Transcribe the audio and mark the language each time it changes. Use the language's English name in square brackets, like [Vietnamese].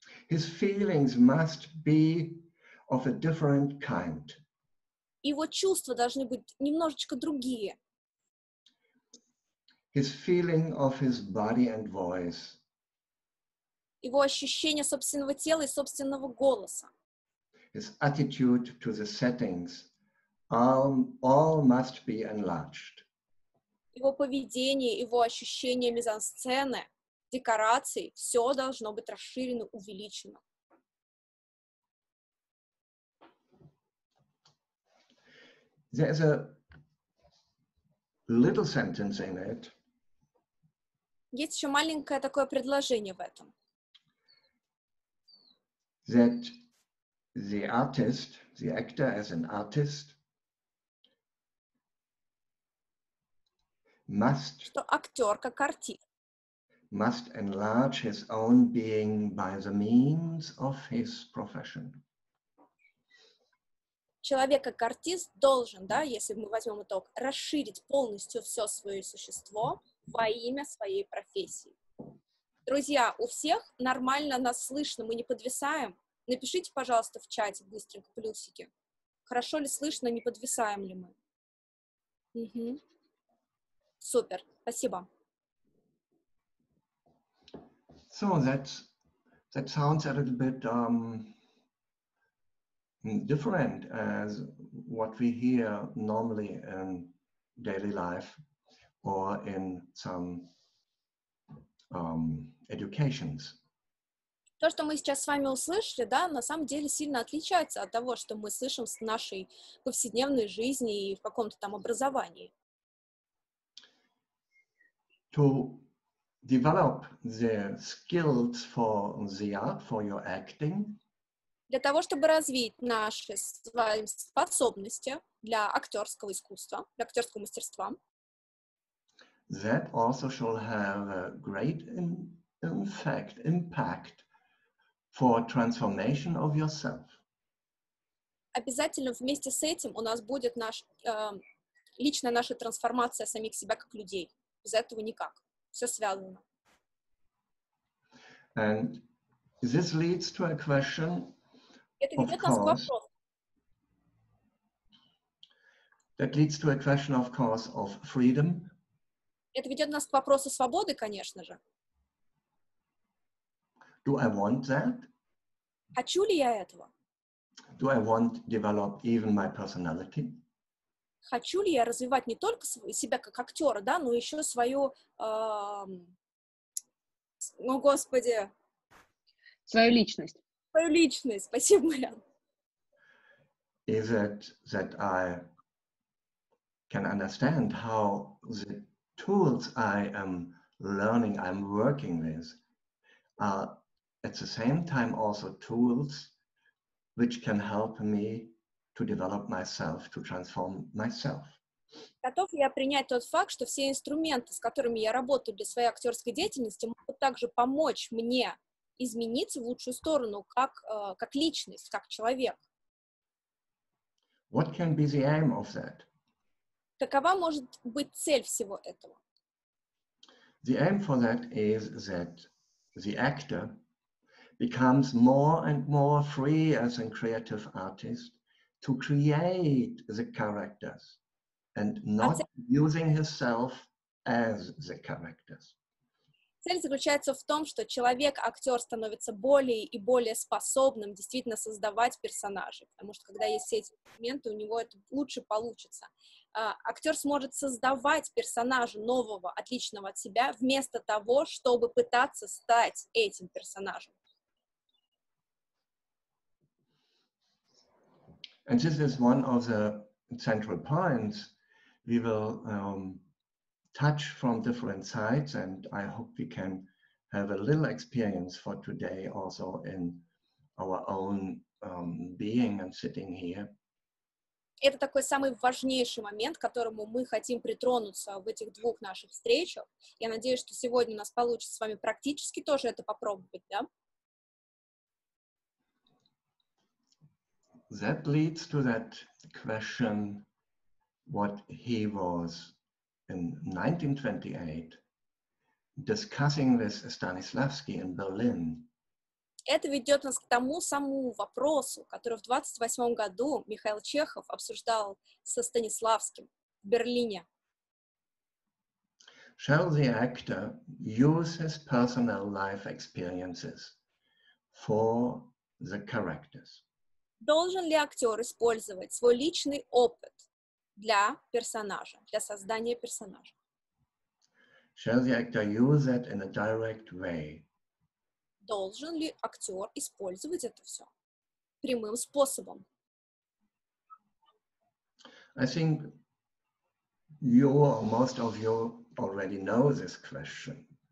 [English] His feelings must be of a different kind. [Russian] Его чувства должны быть немножечко другие. [English] His feeling of his body and voice. [Russian] Его ощущение собственного тела и собственного голоса. [English] His attitude to the settings all must be enlarged. [Russian] Его поведение, его ощущение мизансцены, декораций, все должно быть расширено, увеличено. [English] There's a little sentence in it. [Russian] Есть еще маленькое такое предложение в этом. [English] That the artist, the actor as an artist, must, [Russian] что актер как артист, [English] must enlarge his own being by the means of his profession. [Russian] Человек как артист должен, да, если мы возьмем итог, расширить полностью все свое существо во имя своей профессии. Друзья, у всех нормально нас слышно, мы не подвисаем? Напишите, пожалуйста, в чате быстренько плюсики. Хорошо ли слышно, не подвисаем ли мы? Угу. Супер, спасибо. [English] So that sounds a little bit different as what we hear normally in daily life or in some educations. [Russian] То, что мы сейчас с вами услышали, да, на самом деле сильно отличается от того, что мы слышим с нашей повседневной жизни и в каком-то там образовании. [English] To develop the skills for the art, for your acting. [Russian] Для того, чтобы развить наши с вами способности для актерского искусства, для актерского мастерства. [English] That also shall have a great impact for transformation of yourself. [Russian] Обязательно вместе с этим у нас будет наш личная наша трансформация самих себя как людей. Без этого никак. Все связано. [English] And this leads to a question. [Russian] Это ведет нас к вопросу. [English] That leads to a question, of course, of freedom. [Russian] Это ведет нас к вопросу свободы, конечно же. [English] Do I want that? [Russian] Хочу ли я этого? [English] Do I want to develop even my personality? [Russian] Хочу ли я развивать не только себя как актера, да, но еще свою, ну, господи, свою личность. Свою личность. Спасибо, Марьян. [English] Is it that I can understand how the tools I am learning, I'm working with, at the same time also tools which can help me to develop myself, to transform myself. [Russian] Готов ли я принять тот факт, что все инструменты, с которыми я работаю для своей актерской деятельности, могут также помочь мне измениться в лучшую сторону как личность, как человек? [English] What can be the aim of that? [Russian] Какова может быть цель всего этого? [English] The aim for that is that the actor becomes more and more free as a creative artist to create the characters and not using himself as the characters. [Russian] Цель заключается в том, что человек-актер становится более и более способным действительно создавать персонажей, потому что когда есть все эти элементы, у него это лучше получится. Актер сможет создавать персонажа нового, отличного от себя, вместо того, чтобы пытаться стать этим персонажем. [English] And this is one of the central points we will touch from different sides, and I hope we can have a little experience for today also in our own being and sitting here. [Russian] Это такой самый важнейший момент, к которому мы хотим притронуться в этих двух наших встречах. Я надеюсь, что сегодня у нас получится с вами практически тоже это попробовать, да? [English] That leads to that question, what he was in 1928 discussing with Stanislavski in Berlin. [Russian] Это ведет нас к тому самому вопросу, который в 28-м году Михаил Чехов обсуждал со Станиславским в Берлине. [English] Shall the actor use his personal life experiences for the characters? [Russian] Должен ли актер использовать свой личный опыт для персонажа, для создания персонажа? [English] Shall the actor use that in a direct way? [Russian] Должен ли актер использовать это все прямым способом? [English] I think you or most of you already know this question.